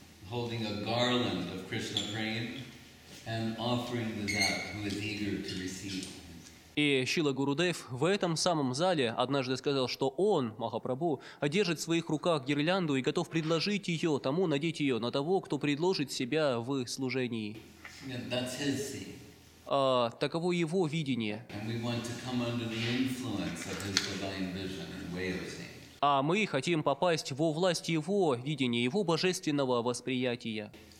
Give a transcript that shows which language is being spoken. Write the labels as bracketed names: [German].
[English] Holding a garland of Krishna praying and offering to that who is eager to receive. [Russian] И Шрила Гурудев в этом самом зале однажды сказал, что он, Махапрабху, держит в своих руках гирлянду и готов предложить ее тому, надеть ее на того, кто предложит себя в служении. [English] That's his thing. [Russian] Таково его видение. [English] And we want to come under the influence of his divine vision and way of seeing. [Russian] А мы хотим попасть во власть его видения, его божественного восприятия.